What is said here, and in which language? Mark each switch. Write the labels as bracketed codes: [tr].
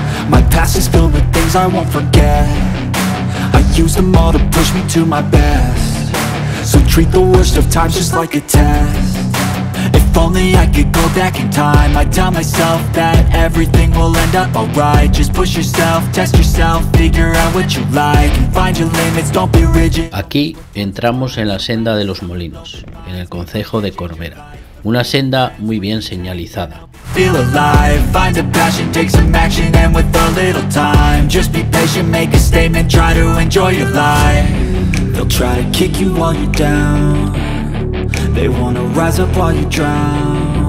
[en] My past is filled with things I won't forget. I use them all to push me to my best. So treat the worst of times just like a test. If only I could go back in time, I'd tell myself that everything will end up alright. Just push yourself, test yourself, figure out what you like and find your limits, don't be rigid. [es] Aquí entramos en la senda de los molinos, en el concejo de Corbera. Una senda muy bien señalizada. [en] Feel alive, find a passion, take some action, and with a little time, just be patient, make a statement, try to enjoy your life. They'll try to kick you while you're down. They wanna rise up while you drown.